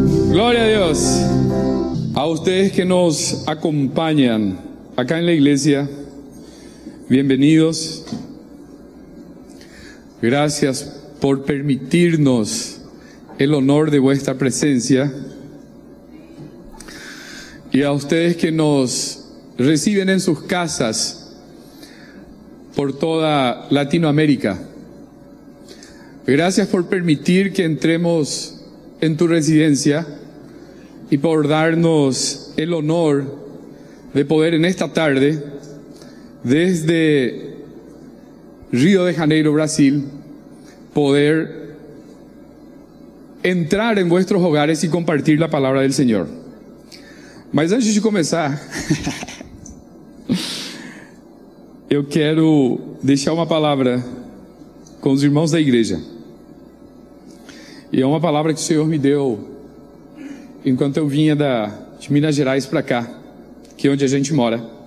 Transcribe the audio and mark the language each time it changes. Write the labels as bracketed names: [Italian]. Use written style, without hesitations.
[Portuguese] Glória a Deus. [Spanish] A vocês que nos acompanham acá en la iglesia, bienvenidos. Gracias por permitirnos el honor de vuestra presencia. Y a ustedes que nos reciben en sus casas por toda Latinoamérica. Gracias por permitir que entremos en tu residencia y por darnos el honor de poder en esta tarde, desde Río de Janeiro, Brasil, poder entrar en vuestros hogares y compartir la palabra del Señor. [Portuguese] Mas antes de começar, eu quero deixar uma palavra com os irmãos da igreja. E é uma palavra que o Senhor me deu enquanto eu vinha de Minas Gerais para cá, que é onde a gente mora.